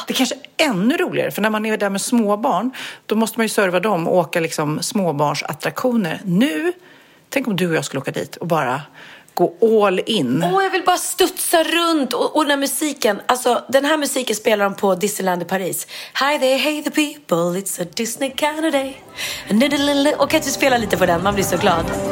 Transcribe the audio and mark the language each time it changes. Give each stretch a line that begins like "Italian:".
Swedish: Det är kanske ännu roligare, för när man är där med småbarn, då måste man ju serva dem och åka liksom småbarns attraktioner. Nu, tänk om du och jag skulle åka dit och bara gå all in. Åh, jag vill bara studsa runt och den här musiken. Alltså, den här musiken spelar de på Disneyland i Paris.
English: Hi there, hey the people, it's a Disney kind of day.
Swedish: Och kan du spela lite på den? Man blir så glad.